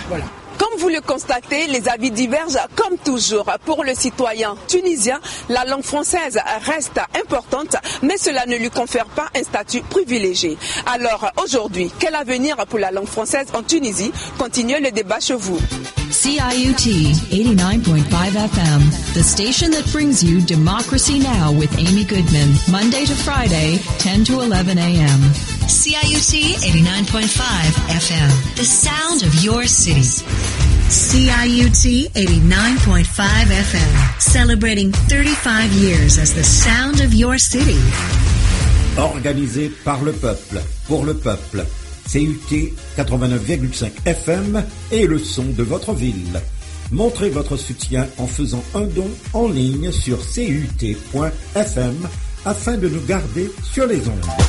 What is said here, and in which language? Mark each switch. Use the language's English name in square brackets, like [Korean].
[French] Voilà. Comme vous le constatez, les avis divergent comme toujours. Pour le citoyen tunisien, la langue française reste importante, mais cela ne lui confère pas un statut privilégié. Alors aujourd'hui, quel avenir pour la langue française en Tunisie? Continuez le débat chez vous. [English] CIUT 89.5 FM, the station that brings you Democracy Now with Amy Goodman, Monday to Friday, 10 to 11 a.m. CIUT 89.5 FM, the sound of your city. CIUT 89.5 FM, celebrating 35 years as the sound of your city. [French] Organisé par le peuple, pour le peuple. CUT 89,5 FM est le son de votre ville. Montrez votre soutien en faisant un don en ligne sur cut.fm afin de nous garder sur les ondes.